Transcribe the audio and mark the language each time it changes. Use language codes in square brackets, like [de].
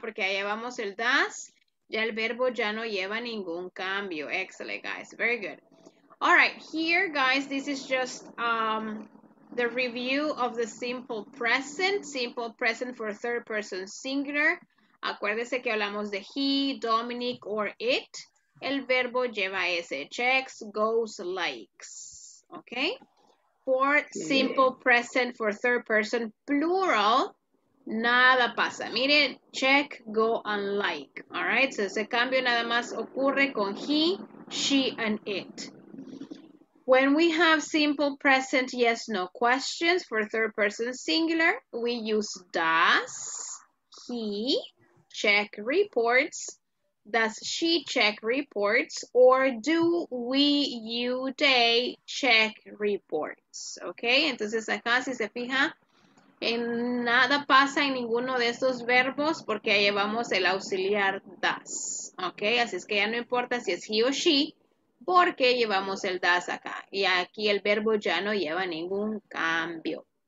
[es] Porque ahí llevamos el does, ya el verbo ya no lleva ningún cambio. [en] Excellent, guys, very good. All right, here, guys, this is just the review of the simple present for third person singular. [es] Acuérdese que hablamos de [en] he, Dominic, or it. [es] El verbo lleva ese, checks, goes, likes, okay? [en] For simple present for third person plural, [es] nada pasa. Miren, [en] check, go, and like. All right, so [es] ese cambio nada más ocurre con [en] he, she, and it. When we have simple present yes, no questions for third person singular, we use does he check reports, does she check reports, or do we, you, they check reports, okay? [es] Entonces acá si se fija, en nada pasa en ninguno de estos verbos porque llevamos el auxiliar does, okay? Así es que ya no importa si es he o she, porque llevamos el does acá. Y aquí el verbo ya no lleva ningún cambio.